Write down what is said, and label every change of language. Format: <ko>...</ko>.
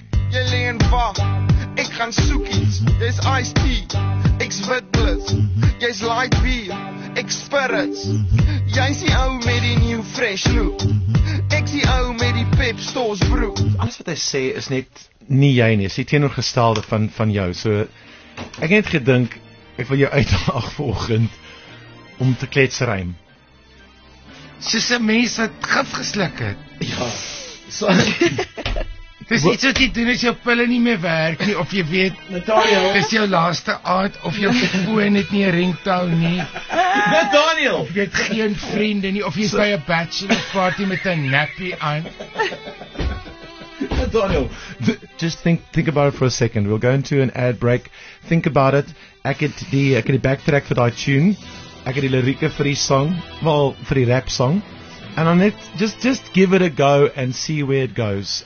<af>Jy lê en wag. Ek gaan soek iets. Dis iced tea. Ek's wit blits. Jy's light beer. Ek spirits. Jy's die ou met die new fresh look. Ek's die ou met die Pep Stores broek. Alles wat hy sê is net nie jy nie. Dis die teenoorgestelde van jou. So ek het gedink ek wil jou uitdaag vanoggend om te kletsrym. Soos 'n mens wat gif gesluk het. Ja. So Dis iets wat jy doen as jou pille nie meer werk nie, of jy weet, Nathaniel, dis jou laaste aand, of jou foon het nie 'n ringtone nie. Nathaniel, of jy het geen vriende nie, of jy is by 'n bachelor party met 'n nappy aan.</af> <en>Daniel, just think about it for a second. We'll go into an ad break. Think about it.</en> <af>Ek het die backtrack vir daai tune. Ek het die lirieke vir die song, wel vir die rap song.</af> <en>And on it, just give it a go and see where it goes.</en>